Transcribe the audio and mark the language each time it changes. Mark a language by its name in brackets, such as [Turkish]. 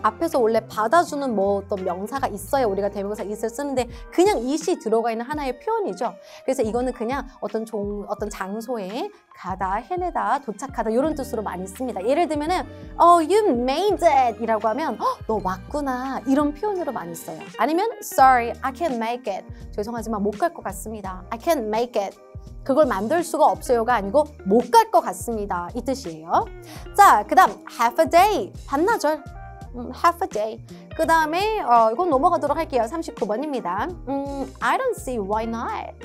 [Korean] 앞에서 원래 받아주는 뭐 어떤 명사가 있어야 우리가 대명사 it을 쓰는데 그냥 it이 들어가 있는 하나의 표현이죠. 그래서 이거는 그냥 어떤 장소에 가다, 해내다, 도착하다 이런 뜻으로 많이 씁니다. 예를 들면 [English] you made it [Korean] 이라고 하면 너 왔구나 이런 표현으로 많이 써요. 아니면 [English] sorry, I can't make it. [Korean] 죄송하지만 못 갈 것 같습니다. [English] I can't make it. [Korean] 그걸 만들 수가 없어요가 아니고 못 갈 것 같습니다 이 뜻이에요. 자, 그 다음 [English] half a day, [Korean] 반나절. [English] half a day. [Korean] 그 다음에 이건 넘어가도록 할게요. 39번입니다. [English] I don't see why not.